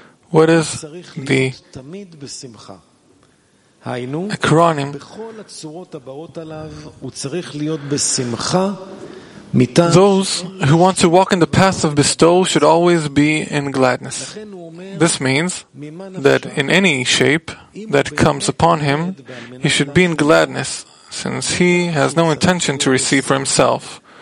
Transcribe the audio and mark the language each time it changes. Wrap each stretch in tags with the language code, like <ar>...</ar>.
<en>What is the</en> <he>תמיד בשמחה? היינו בכל הצורות הבאות עליו, הוא צריך להיות בשמחה</he> <en>Those who want to walk in the path of bestowal should always be in gladness. This means that in any shape that comes upon him, he should be in gladness, since he has no intention to receive for himself.</en>